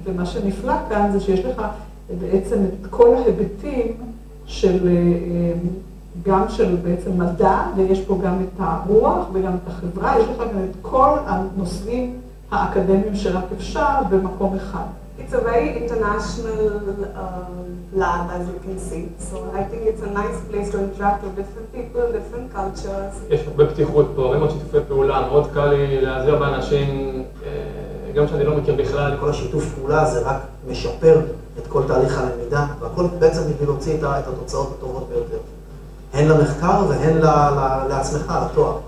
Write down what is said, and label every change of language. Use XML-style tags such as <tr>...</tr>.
<he>ומה שנפלא כאן זה שיש לך בעצם את כל ההיבטים של, גם של בעצם מדע, ויש פה גם את הרוח וגם את החברה, יש לך גם את כל הנושאים האקדמיים שרק אפשר במקום אחד.</he> <en>It's a very international lab, as you can see. So I think it's a nice place to interact with different people, different cultures.</en> <he>יש הרבה פתיחות פה, הרבה מאוד שיתופי פעולה. מאוד קל לי להעזר באנשים, גם שאני לא מכיר בכלל. כל השיתוף פעולה הזה רק משפר את כל תהליך הלמידה, והכל בעצם בגלל להוציא את התוצאות הטובות ביותר. הן למחקר והן לעצמך, לתואר.</he>